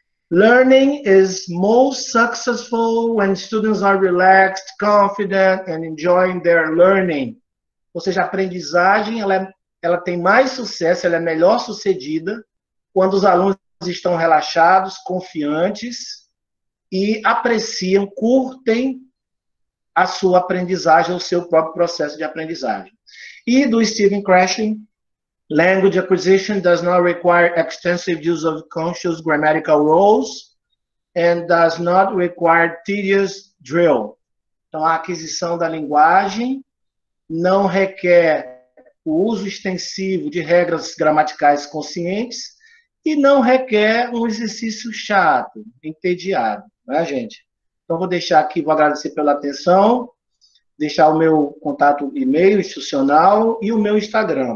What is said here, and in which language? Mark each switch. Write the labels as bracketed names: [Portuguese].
[English] Learning is most successful when students are relaxed, confident, and enjoying their learning. [Portuguese] Ou seja, a aprendizagem, ela tem mais sucesso, ela é melhor sucedida quando os alunos estão relaxados, confiantes, e apreciam, curtem a sua aprendizagem, o seu próprio processo de aprendizagem. E do Stephen Krashen, [English] Language acquisition does not require extensive use of conscious grammatical rules and does not require tedious drill. [Portuguese] Então, a aquisição da linguagem não requer o uso extensivo de regras gramaticais conscientes e não requer um exercício chato, entediado, né, gente? Então, vou deixar aqui, vou agradecer pela atenção, deixar o meu contato e-mail institucional e o meu Instagram.